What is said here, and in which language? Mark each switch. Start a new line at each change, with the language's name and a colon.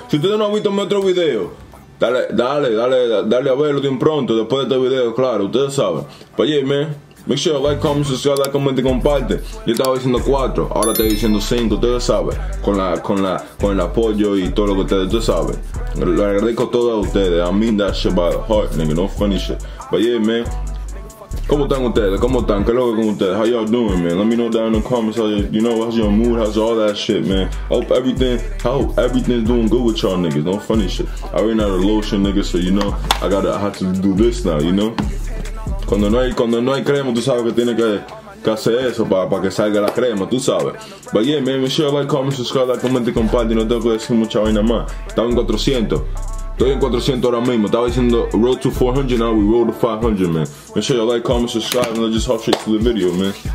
Spanish: Si ustedes no han visto mi otro video, dale a verlo de un pronto después de este video, claro, ustedes saben.
English: But yeah, man, make sure you like, comment, subscribe, like, comment
Spanish: y comparte. Yo estaba diciendo 4, ahora estoy diciendo 5, ustedes saben. Con el apoyo y todo lo que ustedes saben. Lo agradezco a todos a ustedes.
English: I mean that shit by the heart, nigga, no funny shit. But yeah, man.
Spanish: ¿Cómo están ustedes? ¿Cómo están? ¿Qué loco con ustedes?
English: How y'all doing, man? Let me know down in the comments. You know, how's your mood? How's all that shit, man? I hope everything's doing good with y'all niggas. No funny shit. I ran out of lotion, nigga, so you know, I have to do this now, you know?
Spanish: Cuando no hay crema, tú sabes que tiene que hacer eso para que salga la crema, tú sabes.
English: But yeah, man, make sure you like, comment, subscribe, like, comment
Spanish: y comparte. No tengo que decir mucha vaina más. Estamos en 400. Estoy en 400 ahora mismo. Estaba diciendo
English: road to 400, now we road to 500, man. Make sure you like, comment, subscribe, and let's just hop straight to the video, man.